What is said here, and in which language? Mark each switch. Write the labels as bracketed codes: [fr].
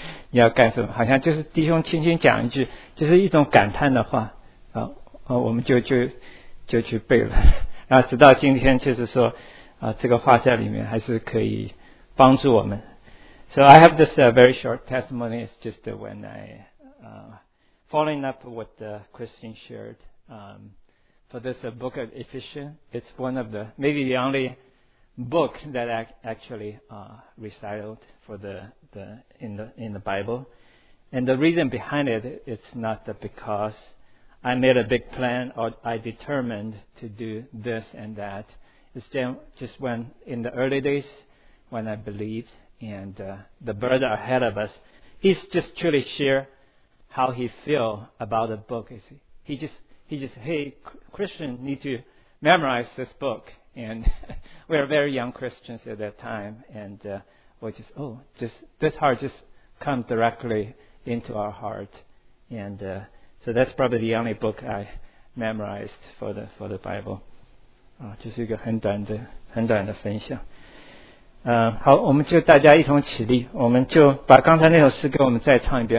[zh] 你要干什么好像就是弟兄轻轻讲一句就是一种感叹的话我们就去背了然后直到今天就是说这个话在里面还是可以帮助我们 [en] So I have this very short testimony. It's just when I following up what Christine shared for this book of Ephesians, it's one of the, maybe the only book that I actually recited for in the Bible. And the reason behind it, it's not because I made a big plan or I determined to do this and that. It's just when, in the early days, when I believed and the brother ahead of us, he's just truly share how he feel about the book. He just, hey, Christian, need to memorize this book. And we are very young Christians at that time. And we just this heart just come directly into our heart. And so that's probably the only book I memorized for the Bible. [zh] 就是一个很短的分享。好，我们就大家一同起立，我们就把刚才那首诗歌我们再唱一遍。